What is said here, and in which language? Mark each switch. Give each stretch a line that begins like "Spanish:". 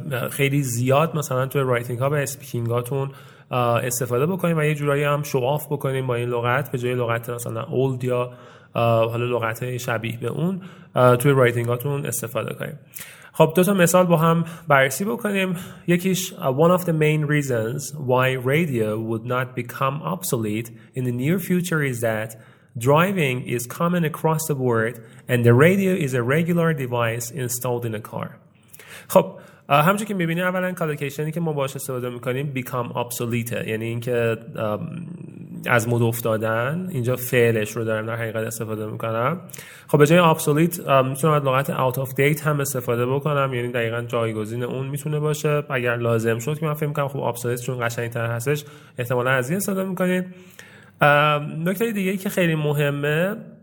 Persian: خیلی زیاد مثلا توی رایتینگ ها و اسپیکینگ هاتون استفاده بکنیم و یه جورایی هم شواف بکنیم با این لغت، به جای لغت مثلا old یا حالا لغت های شبیه به اون توی رایتینگ هاتون استفاده کنیم. خب دو تا مثال با هم بررسی بکنیم. یکیش
English: one of the main reasons why radio would not become obsolete in the near future is that driving is common across the board and the radio is a regular device installed in a car.
Persian: خب همچون که میبینیم اولا کالوکیشنی که ما باش استفاده میکنیم
English: become obsolete،
Persian: یعنی اینکه از مد افتادن، اینجا فعلش رو دارم در حقیقت استفاده میکنم. خب به جای obsolete میتونم از لغت out of date هم استفاده بکنم، یعنی دقیقا جایگزین اون میتونه باشه اگر لازم شد، که من فکر میکنم خب obsolete چون قشنگ تر هستش احتمالا از این استفاده میکنیم. نکته دیگه که خیلی مهمه